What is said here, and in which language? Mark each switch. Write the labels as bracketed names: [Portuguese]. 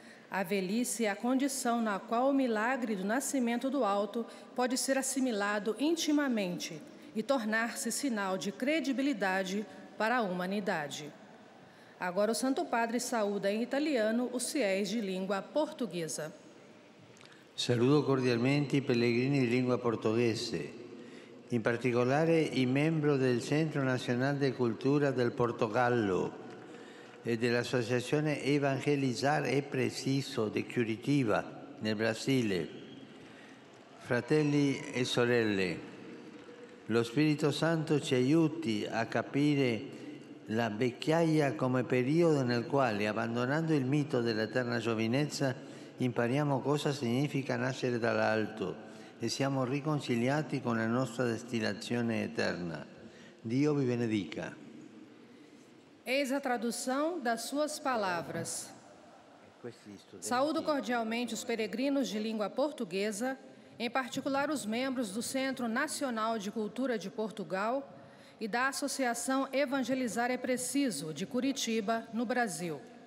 [Portuguese] A velhice é a condição na qual o milagre do nascimento do alto pode ser assimilado intimamente e tornar-se sinal de credibilidade para a humanidade. Agora o Santo Padre saúda em italiano os fiéis de língua portuguesa. [Italian] Saludo cordialmente i pellegrini di lingua portoghese, in particolare i membri del Centro Nazionale di Cultura del Portogallo e dell'Associazione Evangelizzare e Preciso di Curitiba, nel Brasile. Fratelli e sorelle, lo Spirito Santo ci aiuti a capire la vecchiaia come periodo nel quale, abbandonando il mito dell'eterna giovinezza, impariamo cosa significa nascere dall'alto e siamo riconciliati con la nostra destinazione eterna. Dio vi benedica. [Portuguese] Eis a tradução das suas palavras. Saúdo cordialmente os peregrinos de língua portuguesa, em particular os membros do Centro Nacional de Cultura de Portugal e da Associação Evangelizar é Preciso, de Curitiba, no Brasil.